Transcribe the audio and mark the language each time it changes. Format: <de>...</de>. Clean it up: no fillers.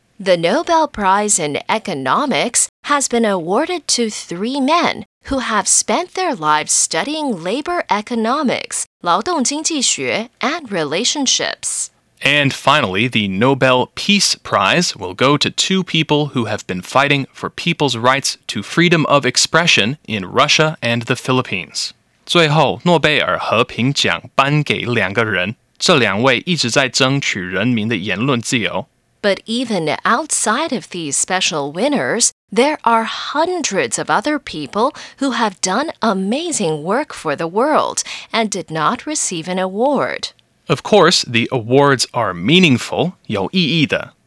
<en>The Nobel Prize in Economics has been awarded to three men who have spent their lives studying labor economics,</en> <zh>劳动经济学,</zh> <en>and relationships. And finally, the Nobel Peace Prize will go to two people who have been fighting for people's rights to freedom of expression in Russia and the Philippines.</en> <zh>最后,诺贝尔和平奖颁给两个人,这两位一直在争取人民的言论自由。</zh> <en>But even outside of these special winners, there are hundreds of other people who have done amazing work for the world and did not receive an award. Of course, the awards are meaningful,</en> <zh>有意义的。</zh>